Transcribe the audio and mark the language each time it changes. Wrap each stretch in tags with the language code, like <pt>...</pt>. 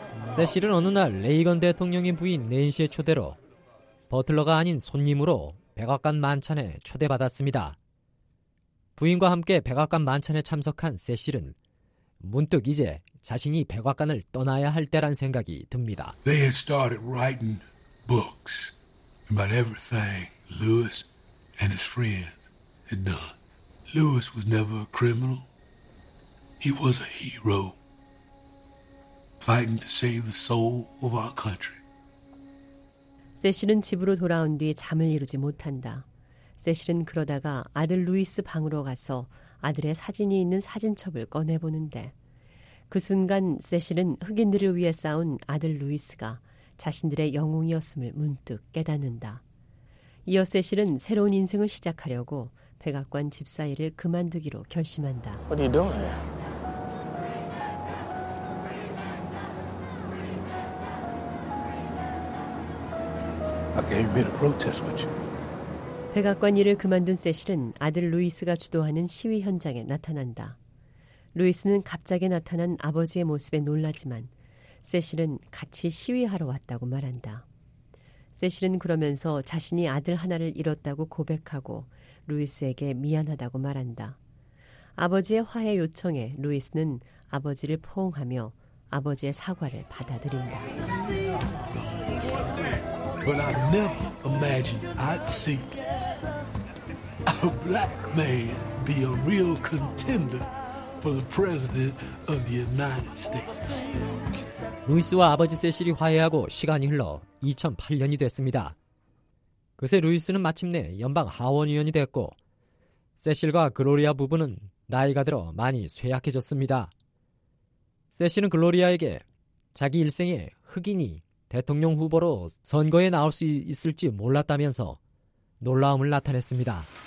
<ko>세실은 어느 날 레이건 대통령의 부인 낸시의 초대로 버틀러가 아닌 손님으로 백악관 만찬에 초대받았습니다. 부인과 함께 백악관 만찬에 참석한 세실은 문득 이제 자신이 백악관을 떠나야 할 때란 생각이 듭니다.</ko> <en>They had started writing books about everything Lewis and his friends had done. Lewis was never a criminal. He was a hero, fighting to save the soul of our country.</en> <ko>세실은 집으로 돌아온 뒤 잠을 이루지 못한다. 세실은 그러다가 아들 루이스 방으로 가서 아들의 사진이 있는 사진첩을 꺼내보는데 그 순간 세실은 흑인들을 위해 싸운 아들 루이스가 자신들의 영웅이었음을 문득 깨닫는다. 이어 세실은 새로운 인생을 시작하려고 백악관 집사일을 그만두기로 결심한다.</ko> <en>What are you doing here? I came here to protest with you.</en> <ko>백악관 일을 그만둔 세실은 아들 루이스가 주도하는 시위 현장에 나타난다. 루이스는 갑자기 나타난 아버지의 모습에 놀라지만 세실은 같이 시위하러 왔다고 말한다. 세실은 그러면서 자신이 아들 하나를 잃었다고 고백하고 루이스에게 미안하다고 말한다. 아버지의 화해 요청에 루이스는 아버지를 포옹하며 아버지의 사과를 받아들인다.</ko> <en>But I never imagined I'd see a black man be a real contender for the president of the United States.</en> <ko>루이스와 아버지 세실이 화해하고 시간이 흘러 2008년이 됐습니다. 그새 루이스는 마침내 연방 하원의원이 됐고 세실과 글로리아 부부는 나이가 들어 많이 쇠약해졌습니다. 세실은 글로리아에게 자기 일생에 흑인이 대통령 후보로 선거에 나올 수 있을지 몰랐다면서 놀라움을 나타냈습니다.</ko>